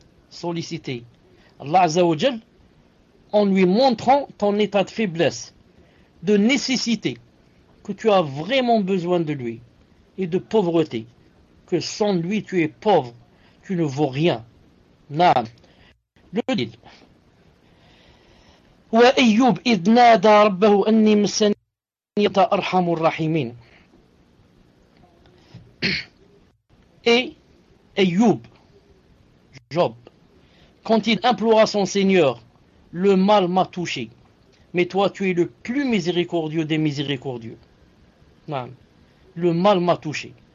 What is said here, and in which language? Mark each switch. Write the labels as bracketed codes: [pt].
[fr] Solliciter Allah Azza wa Jal en lui montrant ton état de faiblesse, de nécessité, que tu as vraiment besoin de lui, et de pauvreté, que sans lui tu es pauvre, tu ne vaux rien. Naam. Le dit. [ar] وأيوب إذ نادى ربه أني مسني أرحم الراحمين. [fr] Et Ayoub, Job, quand il implora son Seigneur, le mal m'a touché, mais toi tu es le plus miséricordieux des miséricordieux. Non. Le mal m'a touché.